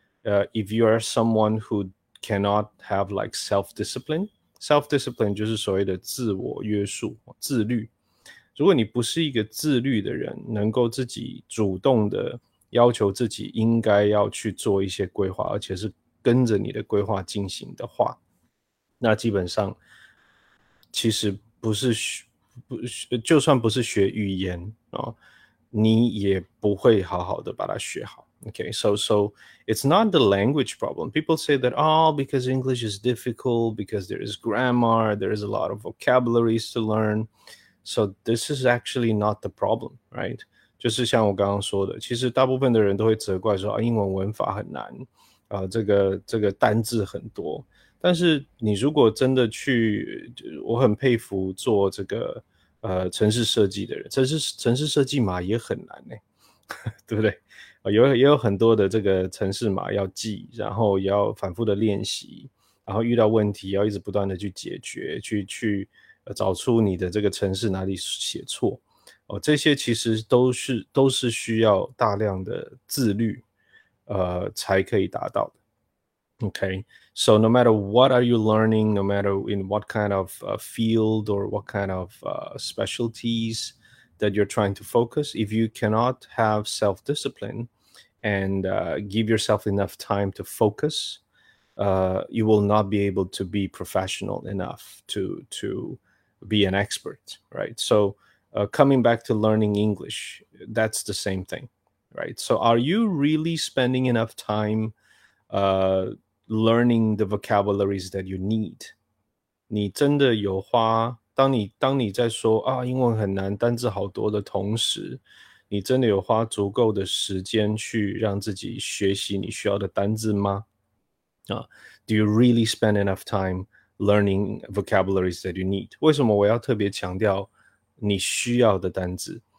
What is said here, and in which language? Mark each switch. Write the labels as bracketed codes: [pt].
[en] If you are someone who cannot have like self-discipline, self-discipline [zh] 就是所谓的自我约束、自律。如果你不是一个自律的人，能够自己主动的要求自己应该要去做一些规划，而且是跟着你的规划进行的话，那基本上其实不是就算不是学语言、哦、你也不会好好的把它学好。 [en] Okay, so it's not the language problem. People say that, oh, because English is difficult, because there is grammar, there is a lot of vocabularies to learn. So this is actually not the problem, right? [zh] 就是像我刚刚说的，其实大部分的人都会责怪说、啊、英文文法很难、这个单字很多。但是你如果真的去，我很佩服做这个城市设计的人，城市设计码也很难耶，对不对？也有很多的这个城市码要记，然后也要反复的练习，然后遇到问题要一直不断的去解决，去找出你的这个城市哪里写错、哦、这些其实都是需要大量的自律才可以达到的。 [en] Okay, so no matter what are you learning, no matter in what kind of field or what kind of specialties that you're trying to focus, if you cannot have self-discipline and give yourself enough time to focus, you will not be able to be professional enough to be an expert, right? So coming back to learning English, that's the same thing, right? So are you really spending enough time learning the vocabularies that you need? [zh] 你真的有花，当你在说啊英文很难单字好多的同时，你真的有花足够的时间去让自己学习你需要的单字吗？ [en] Do you really spend enough time learning vocabularies that you need? [zh] 为什么我要特别强调你需要的单字？